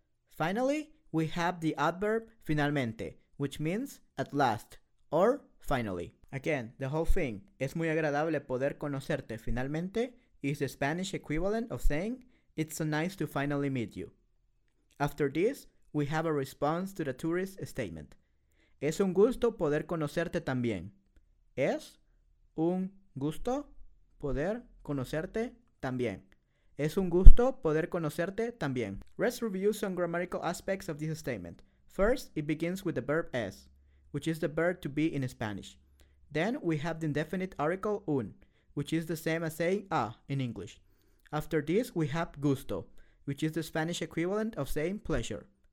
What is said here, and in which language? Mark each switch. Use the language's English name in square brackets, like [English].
[English] Finally, we have the adverb finalmente, which means at last or finally. Again, the whole thing, [Spanish] es muy agradable poder conocerte finalmente, [English] is the Spanish equivalent of saying, it's so nice to finally meet you. After this, we have a response to the tourist statement. [Spanish] Es un gusto poder conocerte también. Es un gusto poder conocerte también. Es un gusto poder conocerte también. [English] Let's review some grammatical aspects of this statement. First, it begins with the verb es, which is the verb to be in Spanish. Then we have the indefinite article un, which is the same as saying a in English. After this, we have gusto, which is the Spanish equivalent of saying pleasure.